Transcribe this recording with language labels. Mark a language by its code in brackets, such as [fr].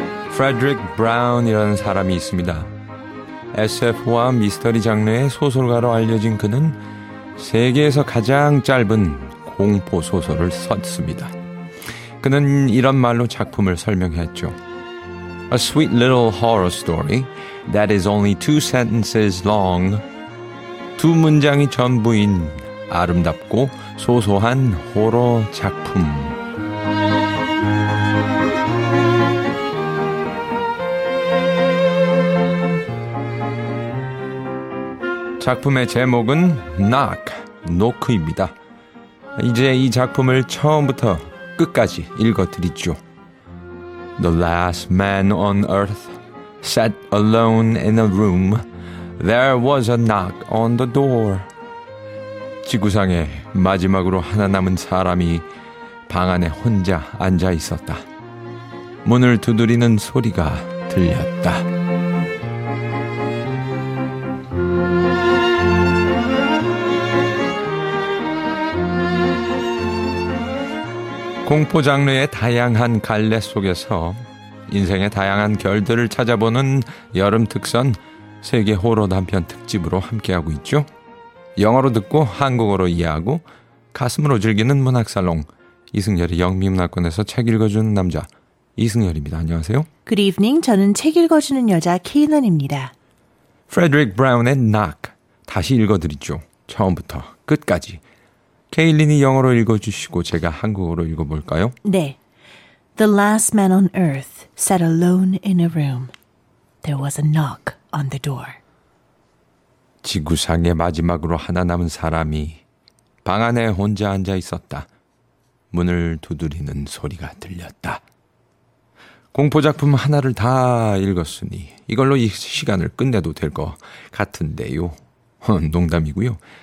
[ko] 프레드릭 브라운이라는 사람이 있습니다. SF와 미스터리 장르의 소설가로 알려진 그는 세계에서 가장 짧은 공포소설을 썼습니다. 그는 이런 말로 작품을 설명했죠. [en] A sweet little horror story that is only two sentences long. [ko] 두 문장이 전부인 아름답고 소소한 호러 작품. 작품의 제목은 Knock, 노크입니다. 이제 이 작품을 처음부터 끝까지 읽어드리죠. [en] The last man on earth sat alone in a room. There was a knock on the door. [ko] 지구상에 마지막으로 하나 남은 사람이 방 안에 혼자 앉아 있었다. 문을 두드리는 소리가 들렸다. 공포 장르의 다양한 갈래 속에서 인생의 다양한 결들을 찾아보는 여름 특선 세계 호러 단편 특집으로 함께하고 있죠. 영어로 듣고 한국어로 이해하고 가슴으로 즐기는 문학살롱 이승열의 영미문학권에서 책 읽어주는 남자 이승열입니다. 안녕하세요. [en] Good evening. [ko] 저는 책 읽어주는 여자 케이넌입니다. 프레드릭 브라운의 Knock 다시 읽어드리죠. 처음부터 끝까지. 케일린이 영어로 읽어주시고 제가 한국어로 읽어볼까요? 네. [en] The last man on earth sat alone in a room. There was a knock on the door. [ko] 지구상에 마지막으로 하나 남은 사람이 방 안에 혼자 앉아 있었다. 문을 두드리는 소리가 들렸다. 공포작품 하나를 다 읽었으니 이걸로 이 시간을 끝내도 될 것 같은데요. 농담이고요.